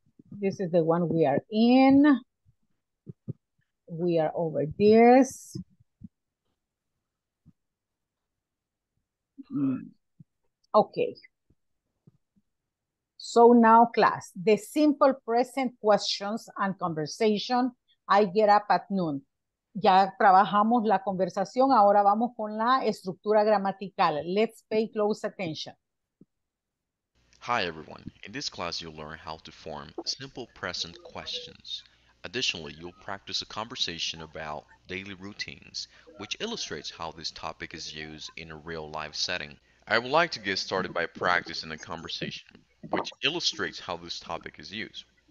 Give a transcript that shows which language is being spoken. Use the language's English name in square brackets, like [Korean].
[English] This is the one we are in. We are over this. Okay. So now class, the simple present questions and conversation. I get up at noon. [Spanish] Ya trabajamos la conversación, ahora vamos con la estructura gramatical. [English] Let's pay close attention. Hi everyone. In this class, you'll learn how to form simple present questions. Additionally, you'll practice a conversation about daily routines, which illustrates how this topic is used in a real life setting. I would like to get started by practicing a conversation, which illustrates how this topic is used.